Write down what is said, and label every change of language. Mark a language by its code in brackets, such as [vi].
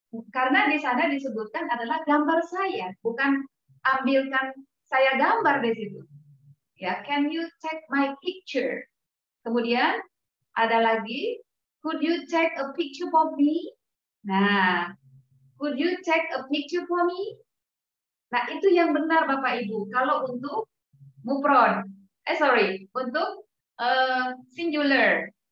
[id] Karena di sana disebutkan adalah gambar saya, bukan ambilkan saya gambar di situ. [en] Ya, can you take my picture? [id] Kemudian ada lagi, [en] could you take a picture of me? Nah, could you take a picture for me? [id] Nah, itu yang benar Bapak Ibu. Kalau untuk mufrad, untuk singular.